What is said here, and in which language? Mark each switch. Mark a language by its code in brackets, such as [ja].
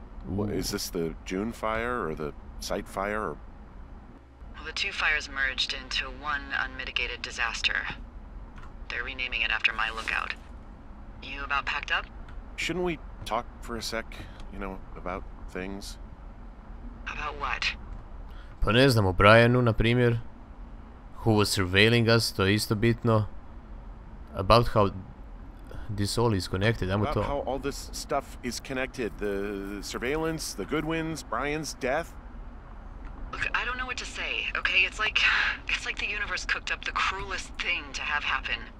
[en] What, is this the June fire, or the site fire, or... Well, the two fires merged into one unmitigated disaster. They're renaming it after my lookout. You about packed up? Shouldn't we talk for a sec, you know, about things? About what? [hr] Pa ne znam, o Brianu, na primjer. [en] Who was surveilling us, [hr] to je isto bitno. [en] About how this all is connected, [hr] ajmo to. [en] About how all this stuff is connected. The surveillance, the Goodwins, Brian's death. Look, I don't know what to say, okay? It's like the universe cooked up the cruelest thing to have happen.